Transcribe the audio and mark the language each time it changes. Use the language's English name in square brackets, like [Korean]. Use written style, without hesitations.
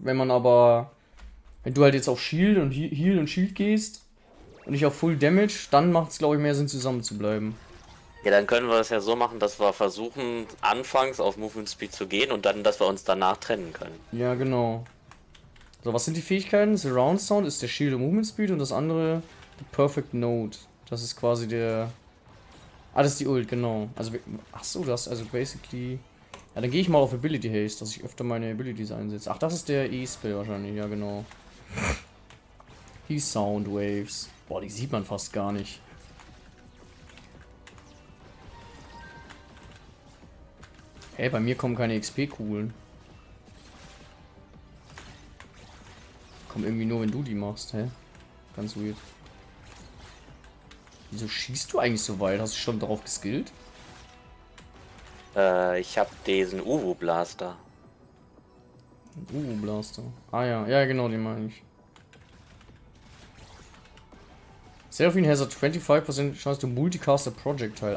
[German] Wenn man aber, wenn du halt jetzt auf Shield und Heal und Shield gehst und nicht auf Full Damage, dann macht es, glaube ich, mehr Sinn, zusammen zu bleiben. Ja, dann können wir das ja so machen, dass wir versuchen, anfangs auf Movement Speed zu gehen und dann, dass wir uns danach trennen können. Ja, genau. So, was sind die Fähigkeiten? Surround Sound ist der Shield und Movement Speed und das andere, die Perfect Note. Das ist quasi der. Ah, das ist die Ult, genau. Also, ach so, das, also basically. Ja, dann gehe ich mal auf Ability Haste, dass ich öfter meine Abilities einsetze. Ach, das ist der E-Spell wahrscheinlich, ja, genau. Die Soundwaves. Boah, die sieht man fast gar nicht. Hey, bei mir kommen keine XP-Kugeln. Kommt irgendwie nur, wenn du die machst, hä? Ganz weird. Wieso schießt du eigentlich so weit? Hast du schon drauf geskillt? Ich habe diesen Uwu Blaster. Blaster. Ah ja, genau, den meine ich. [English] Seraphine has a 25% Chance to multicast a projectile.